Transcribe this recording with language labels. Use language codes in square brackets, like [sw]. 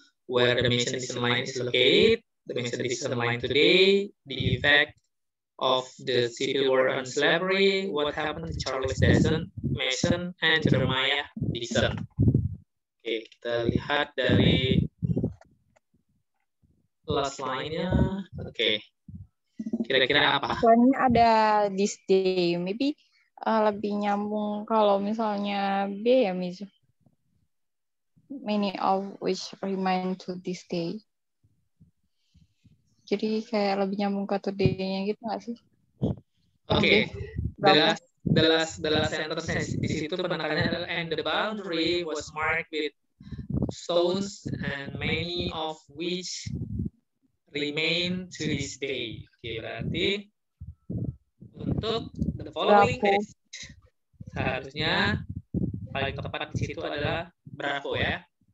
[en] Where the Mason-Dixon line is located, the Mason-Dixon line today, the effect of the Civil War on slavery, what happened to Charles Mason and Jeremiah Dixon. [id] Oke, kita lihat dari last line-nya. Oke, kira-kira apa? Soalnya ada this day, maybe lebih nyambung kalau misalnya B ya, Miss. [en] Many of which remain to this day. [id] Jadi kayak lebih nyambung ke today-nya gitu nggak sih? Oke, okay. [en] The last sentence [id] di situ penekannya adalah [en] and the boundary was marked with stones and many of which remain to this day. [id] Oke, okay, berarti untuk [en] the following test, [id] harusnya paling tepat di situ adalah bravo ya.